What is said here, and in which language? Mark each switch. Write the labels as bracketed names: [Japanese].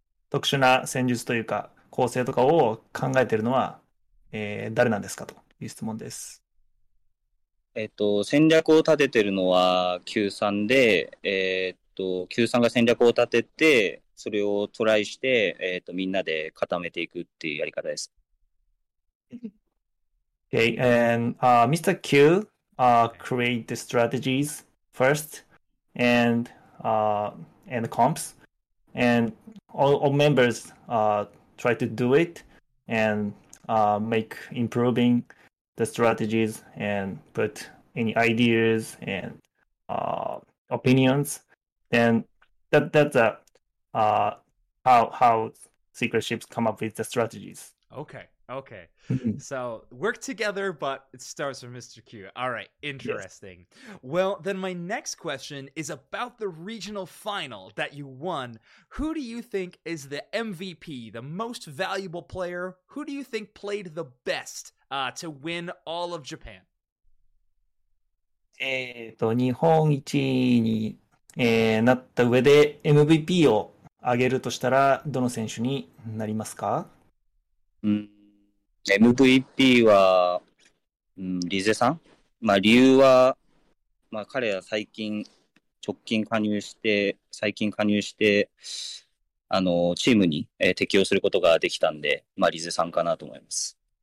[Japanese] 特殊な戦術というか、構成とかを考えているのは、誰なんですかという質問です。戦略を立てているのは Q さんで、Q さんが戦略を立てて、それをトライして、みんなで固めていくっていうやり方です。 [English] Okay, and Mr. Q create the strategies first and the comps, and all members try to do it, and make improving the strategies and put any ideas and opinions, then that's how secret ships come up with the strategies. Okay. So work together, but it starts with Mr. Q. All right, interesting. Yes. Well, then my next question is about the regional final that you won. Who do you think is the MVP, the most valuable player? Who do you think played the best to win all of Japan? [Japanese] 日本一に、なった上で MVP を挙げるとしたらどの選手になりますか？ MVP は、リゼさん、まあ、理由は、まあ、彼は最近直近加入して最近加入してあのチームに、適応することができたんで、まあ、リゼさんかなと思います。